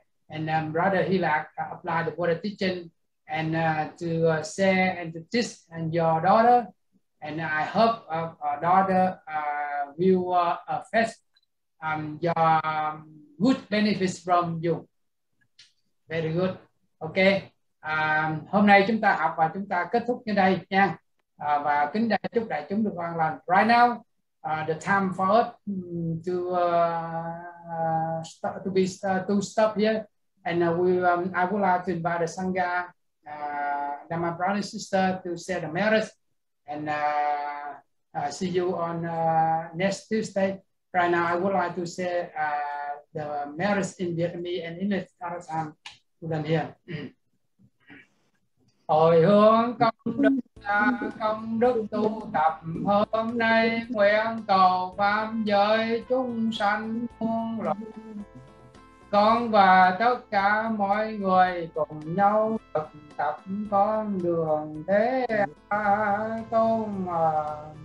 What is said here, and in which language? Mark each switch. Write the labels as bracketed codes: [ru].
[en] And Brother Hilak applied the Buddha teaching and to share and to teach and your daughter. And I hope our daughter will affect your good benefits from you. Very good. Okay. [vi] Hôm nay chúng ta học và chúng ta kết thúc như đây nha. Và kính đại chúc đại chúng được an lành. [en] Right now, the time for us to stop here. And I would like to invite the Sangha, Dhamma brother and sister, to share the merits. And see you on next Tuesday. Right now, I would like to say the merits in Vietnamese and English at the time to learn here. [vi] Hồi hướng công đức tu tập hôm nay nguyện cầu pháp giới chúng sanh muôn loài. Con và tất cả mọi người cùng nhau thực tập con đường Thế Tôn mà.